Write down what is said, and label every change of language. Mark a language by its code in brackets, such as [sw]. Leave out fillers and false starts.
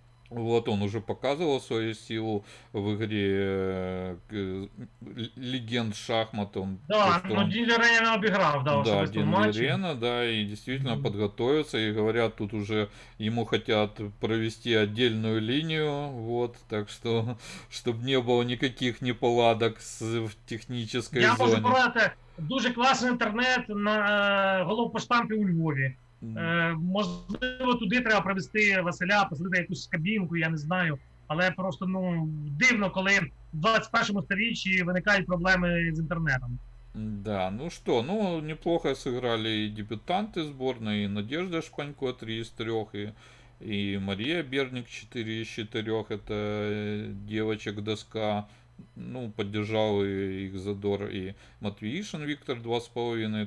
[ru] Вот он уже показывал свою силу в игре легенд шахмат. Он, да, то, но он Дин Лирена обыграл, да, да, Дин Лирена, да, и действительно подготовился. И говорят, тут уже ему хотят провести отдельную линию, вот, так что, чтобы не было никаких неполадок в технической зоне. [uk] Я можу сказать, дуже класний інтернет на головпоштампі у Львові. Можливо, туди треба привезти Василя, посадити якусь кабінку, я не знаю. Але просто, ну, дивно, коли в 21-му сторіччі виникають проблеми з інтернетом. [ru] Да, ну что, ну, неплохо сыграли и дебютанты сборной, и Надежда Шпанько 3 из 3, и Мария Берник 4 из 4, это девочек доска. Ну, поддержал и их Задор, и Матвеишин Виктор 2,5.